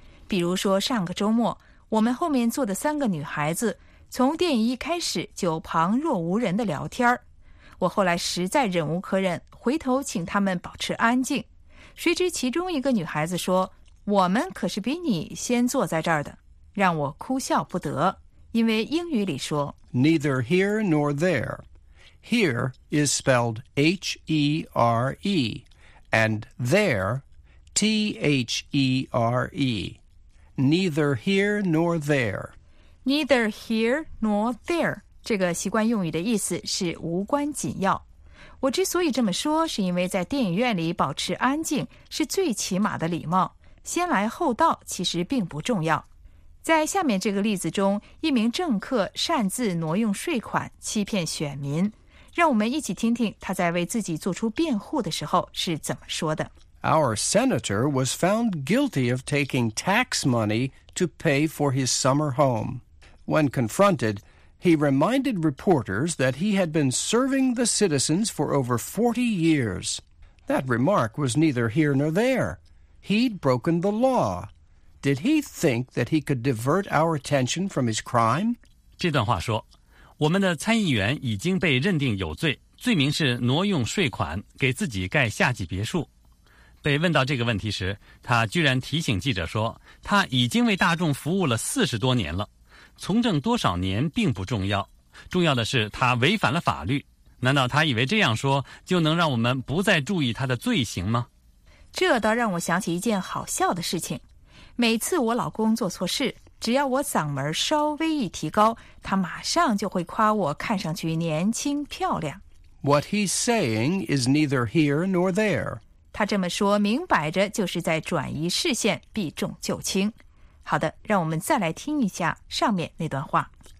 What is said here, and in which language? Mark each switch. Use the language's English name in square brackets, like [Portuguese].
[Chinese] 比如说上个周末，我们后面坐的三个女孩子，从电影一开始就旁若无人的聊天。我后来实在忍无可忍，回头请他们保持安静。谁知其中一个女孩子说，我们可是比你先坐在这儿的。让我哭笑不得，因为英语里说 [English] Neither here nor there. Here is spelled H-E-R-E, and there, T-H-E-R-E. Neither here nor there. Neither here nor there. [Chinese] 这个习惯用语的意思是无关紧要。我之所以这么说，是因为在电影院里保持安静是最起码的礼貌，先来后到其实并不重要。在下面这个例子中，一名政客擅自挪用税款欺骗选民，让我们一起听听他在为自己做出辩护的时候是怎么说的。 [English] Our senator was found guilty of taking tax money to pay for his summer home. When confronted, he reminded reporters that he had been serving the citizens for over 40 years. That remark was neither here nor there. He'd broken the law. Did he think that he could divert our attention from his crime? [Chinese] 这段话说，我们的参议员已经被认定有罪，罪名是挪用税款给自己盖夏季别墅。被问到这个问题时，他居然提醒记者说，他已经为大众服务了40多年了，从政多少年并不重要，重要的是他违反了法律。难道他以为这样说就能让我们不再注意他的罪行吗？这倒让我想起一件好笑的事情。每次我老公做错事，只要我嗓门稍微一提高，他马上就会夸我看上去年轻漂亮。 [English] What he's saying is neither here nor there. [Chinese] 他这么说明摆着就是在转移视线，避重就轻。好的，让我们再来听一下上面那段话。